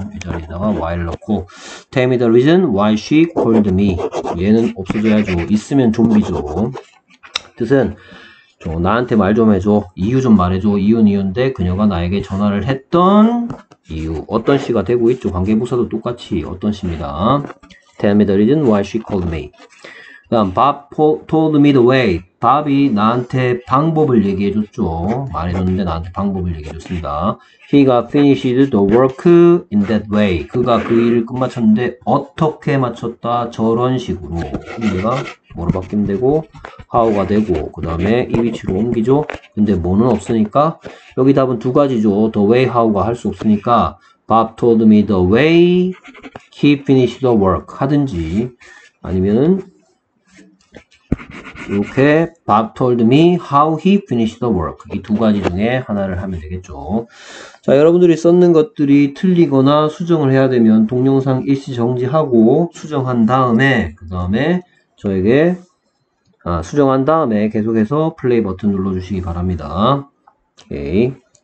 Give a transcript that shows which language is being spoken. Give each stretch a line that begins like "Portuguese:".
Korean: 이 자리에다가
English: why를 넣고 tell me the reason why she called me.
Korean: 얘는 없어져야죠. 있으면 좀비죠. 뜻은 나한테 말좀 해줘. 이유 좀 말해줘. 이유는 이유인데 그녀가 나에게 전화를 했던 이유. 어떤 시가 되고 있죠. 관계부사도 똑같이 어떤 시입니다.
English: tell me the reason why she called me. 다음, Bob told me the way.
Korean: Bob이 나한테 방법을 얘기해줬죠. 말해줬는데 나한테 방법을 얘기해줬습니다.
English: He got finished the work in that way.
Korean: 그가 그 일을 끝마쳤는데 어떻게 마쳤다? 저런 식으로. 근데가 뭐로 바뀌면 되고, how가 되고, 그 다음에 이 위치로 옮기죠. 근데 뭐는 없으니까, 여기 답은 두 가지죠.
English: The way, how가 할수 없으니까, Bob told me the way he finished the work
Korean: 하든지, 아니면은 이렇게
English: Bob told me how he finished the work.
Korean: 이두 가지 중에 하나를 하면 되겠죠. 자, 여러분들이 썼는 것들이 틀리거나 수정을 해야 되면 동영상 일시 정지하고 수정한 다음에, 그 다음에 저에게 수정한 다음에 계속해서 플레이 버튼 눌러주시기 바랍니다. 오케이.